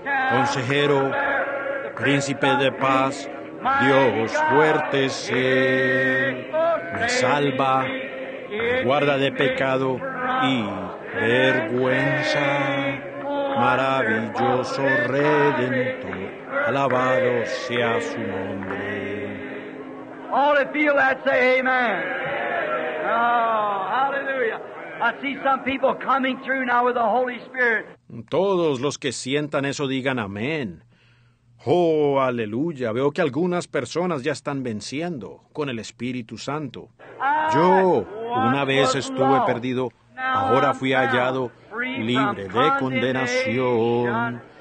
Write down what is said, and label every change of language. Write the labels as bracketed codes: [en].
[es] Consejero, príncipe de paz, Dios fuerte es Él. Me salva, me guarda de pecado y vergüenza. Maravilloso Redentor, alabado sea su nombre. [en] All that feel that, say amen. Oh, hallelujah. I see some people coming through now with the Holy Spirit. [es] Todos los que sientan eso digan amén. Oh, aleluya. Veo que algunas personas ya están venciendo con el Espíritu Santo. Yo, una vez estuve perdido, ahora fui hallado libre de condenación.